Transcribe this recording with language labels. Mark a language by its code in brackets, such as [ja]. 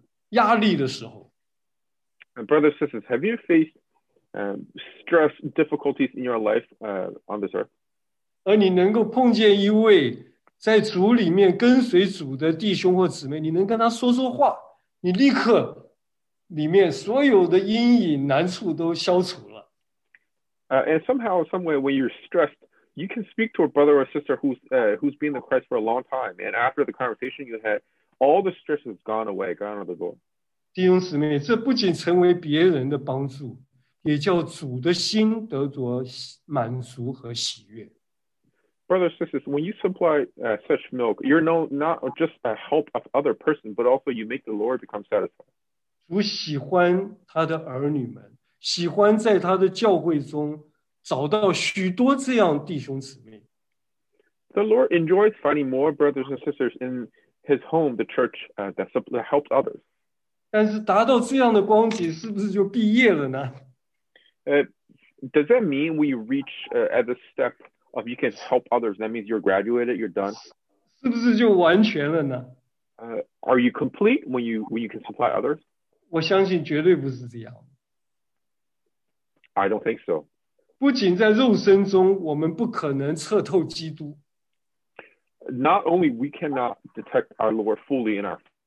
[zh] 弟兄姊妹，你有没有在教会生活里面呢？啊，或者在自己人生路上遇见困惑、难处、压力的时候 [en] ？Brothers, sisters, have you faced stress, difficulties in your life on this earth? [zh] 而你能够碰见一位在主里面跟随主的弟兄或姊妹，你能跟他说说话，你立刻里面所有的阴影、难处都消除了。 [en] And somehow, some way, when you're stressed, you can speak to a brother or sister who's been in Christ for a long time. And after the conversation you had, all the stress has gone away, gone out of the door. [zh] 弟兄姊妹，这不仅成为别人的帮助，也叫主的心得着满足和喜悦。 [en] Brothers and sisters, when you supply such milk, you're not just a help of other person, but also you make the Lord become satisfied. [zh] 主喜欢他的儿女们，喜欢在他的教会中找到许多这样弟兄姊妹。 [en] The Lord enjoys finding more brothers and sisters in his home, the church, that helps others. [zh] 但是达到这样的光景，是不是就毕业了呢？ [en] Does that mean we reach at the step of you can help others? That means you're graduated, you're done? [zh] 是不是就完全了呢？ [en] Are you complete when you can supply others? [zh] 我相信绝对不是这样。 [en] I don't think so. [zh] 不仅在肉身中，我们不可能彻透基督。 [en] Not only we cannot detect our Lord fully in our